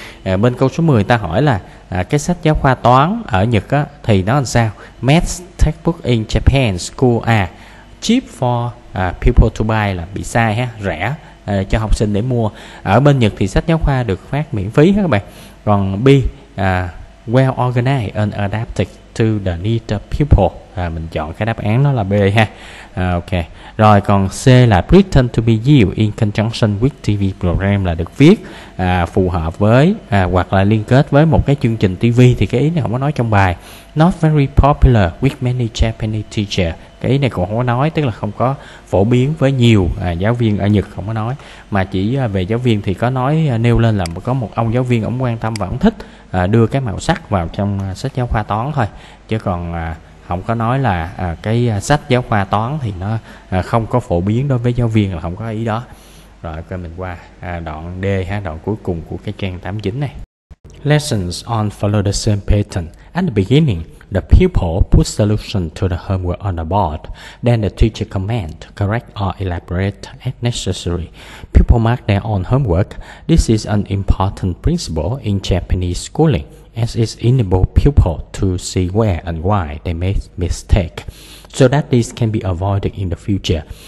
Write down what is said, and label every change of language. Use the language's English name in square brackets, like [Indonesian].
[Vietnamese] Bên câu số 10 ta hỏi là cái sách giáo khoa toán ở Nhật á, thì nó làm sao? [English] Math textbook in Japan school are cheap for people to buy, [Vietnamese] là bị sai ha, rẻ cho học sinh để mua. Ở bên Nhật thì sách giáo khoa được phát miễn phí ha các bạn. [English] Còn B, well organized and adapted to the needs of people. [Vietnamese] Mình chọn cái đáp án nó là B ha. Ok. Rồi còn C là [English] written to be used in conjunction with TV program, [Vietnamese] là được viết phù hợp với hoặc là liên kết với một cái chương trình TV, thì cái ý này không có nói trong bài. [English] Not very popular with many Japanese teachers. [Vietnamese] Cái ý này cũng không có nói, tức là không có phổ biến với nhiều giáo viên ở Nhật, không có nói. Mà chỉ về giáo viên thì có nói nêu lên là có một ông giáo viên ông quan tâm và ông thích đưa cái màu sắc vào trong sách giáo khoa toán thôi. Chứ còn không có nói là cái sách giáo khoa toán thì nó không có phổ biến đối với giáo viên, là không có ý đó. Rồi ok, mình qua đoạn D ha, đoạn cuối cùng của cái trang 89 này. [English] Lessons on follow the same pattern. At the beginning, the pupil puts solution to the homework on the board. Then the teacher comment, correct or elaborate as necessary. Pupil mark their own homework. This is an important principle in Japanese schooling, as it enables pupils to see where and why they make mistakes, so that this can be avoided in the future.